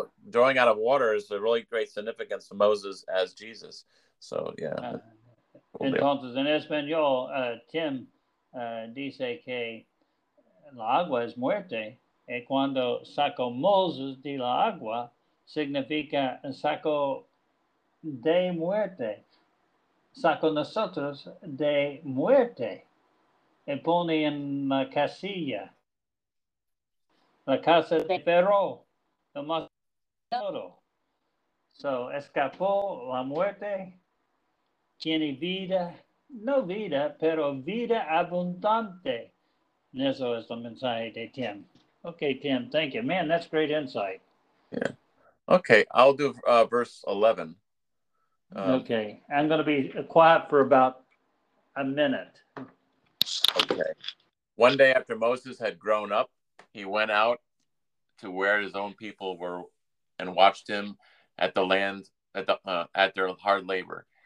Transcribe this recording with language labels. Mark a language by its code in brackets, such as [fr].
[en] Drawing out of water is a really great significance to Moses as Jesus. So, yeah. [es] Entonces, en español, Tim dice que la agua es muerte. Y cuando saco Moses de la agua, significa saco de muerte. Saco nosotros de muerte. Y pone en la casilla. La casa de perro. El más duro. So, escapó la muerte. Tiene vida. No vida, pero vida abundante. And eso es el mensaje de Tim. [en] Okay, Tim, thank you. Man, that's great insight. Yeah. Okay, I'll do verse 11. Okay, I'm going to be quiet for about a minute. Okay. One day after Moses had grown up, he went out to where his own people were and watched him at the land, at their hard labor.